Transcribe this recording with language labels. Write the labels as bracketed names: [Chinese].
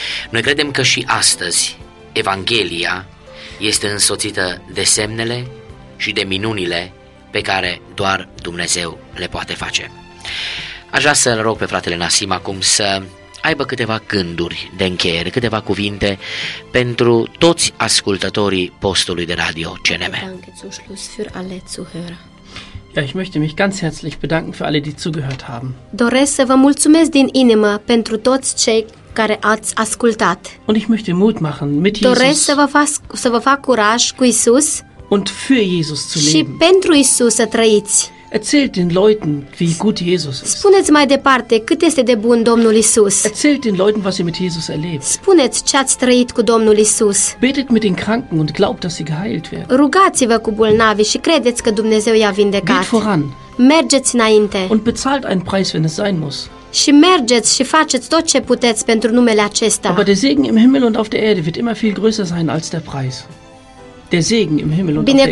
[Romanian] Noi credem că și astăzi Evanghelia este însoțită de semnele și de minunile pe care doar Dumnezeu le poate face. Aș vrea să-l rog pe fratele Nassim acum să aibă câteva gânduri de încheiere, câteva cuvinte pentru toți ascultătorii postului de radio CNM. [German] Danke zum Schluss für alle Zuhörer. Ja, ich möchte mich ganz herzlich bedanken für alle, die zugehört haben. [Romanian] Doresc să vă mulțumesc din inimă pentru toți cei care ați ascultat. [German] Und ich möchte Mut machen mit Jesus. [Romanian] Doresc să vă fac curaj cu Isus. [German] Und für Jesus zu leben. [Romanian] Și pentru Isus să trăiți. [German] Erzählt den Leuten, wie gut Jesus ist. [Romanian] Spuneți mai departe cât este de bun Domnul Isus. [German] Erzählt den Leuten, was ihr mit Jesus erlebt. [Romanian] Spuneți ce ați trăit cu Domnul Isus. [German] Betet mit den Kranken und glaubt, dass sie geheilt werden. [Romanian] Rugați-vă cu bolnavi și credeți că Dumnezeu i-a vindecat. [German] Geht voran. [Romanian] Mergeți înainte. [German] Und bezahlt einen Preis, wenn es sein muss. [Romanian] Și mergeți și faceți tot ce puteți pentru numele acesta. [German] Aber der Segen im Himmel und auf der Erde wird immer viel größer sein als der Preis. Der Segen im Himmel und auf der Erde.